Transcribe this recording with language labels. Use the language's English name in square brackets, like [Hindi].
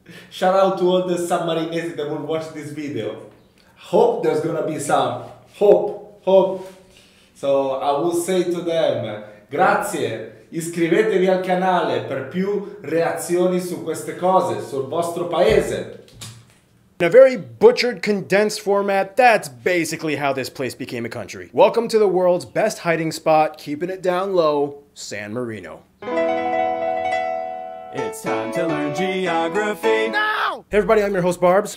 [English] Shout out to all the Sammarinese that will watch this video. Hope there's gonna be some hope. So I will say to them, [Italian] grazie, iscrivetevi al canale per più reazioni su queste cose sul vostro paese. [English] In a very butchered, condensed format, that's basically how this place became a country. Welcome to the world's best hiding spot, keeping it down low, San Marino. It's time to learn geography. Now! Hey everybody, I'm your host Barbs.